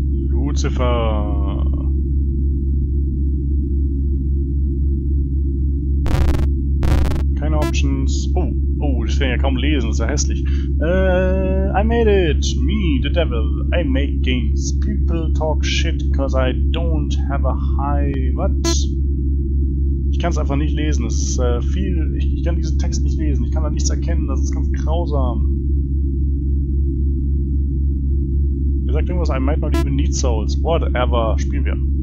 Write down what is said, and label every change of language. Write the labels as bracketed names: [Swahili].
[German] Lucifer. Keine Options. Oh, oh, das kann ich ja kaum lesen, das ist ja hässlich. [English] I made it! Me, the devil. I make games. People talk shit, cause I don't have a high... What? [German] Ich kann es einfach nicht lesen, es ist viel... Ich kann diesen Text nicht lesen, ich kann da nichts erkennen, das ist ganz grausam. Er sagt irgendwas, [English] I might not even need souls. [German] Whatever, spielen wir.